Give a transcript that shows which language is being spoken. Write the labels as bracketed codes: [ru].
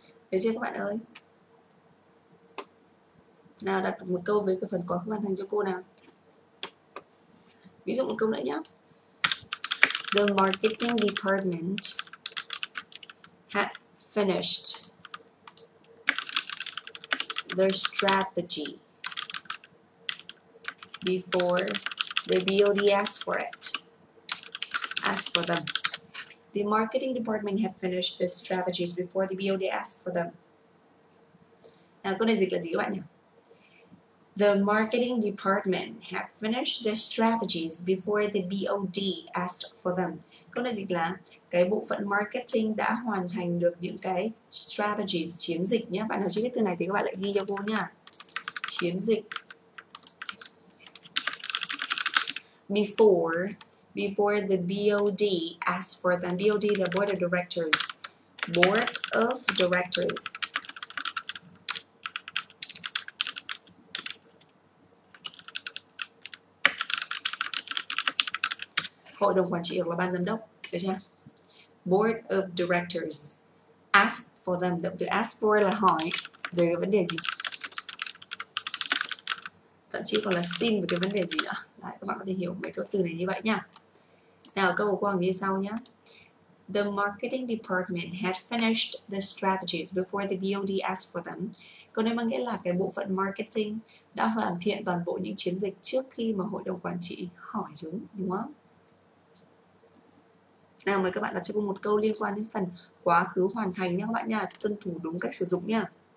[vi] Được chưa các bạn ơi? Nào đặt một câu với cái phần quá khứ hoàn thành cho cô nào. Ví dụ một câu nữa nhé. [en] The marketing department had finished their strategy before the BOD asked for them. The marketing department had finished the strategies before the BOD asked for them. [vi] Nào, câu này dịch là gì các bạn nhỉ? [en] The marketing department had finished their strategies before the BOD asked for them. [vi] Câu này dịch là cái bộ phận marketing đã hoàn thành được những cái strategies, chiến dịch nhé. Bạn nào chưa biết từ này thì các bạn lại ghi cho cô nha. Chiến dịch. [en] Before the BOD asked for them. BOD, the Board of Directors. Board of Directors. [vi] Hội đồng quản trị hoặc là ban giám đốc, được chưa? [en] Board of Directors ask for them. [vi] Động từ ask for là hỏi về cái vấn đề gì, thậm chí còn là xin về cái vấn đề gì nữa. Đấy, các bạn có thể hiểu mấy câu từ này như vậy nhá. Nào, câu của cô Hằng như sau nhá. [en] The marketing department had finished the strategies before the BOD asked for them. [vi] Câu này mang nghĩa là cái bộ phận marketing đã hoàn thiện toàn bộ những chiến dịch trước khi mà hội đồng quản trị hỏi chúng, đúng không? Nào, mời các bạn đặt cho cô một câu liên quan đến phần quá khứ hoàn thành nhé các bạn nha, tuân thủ đúng cách sử dụng nha.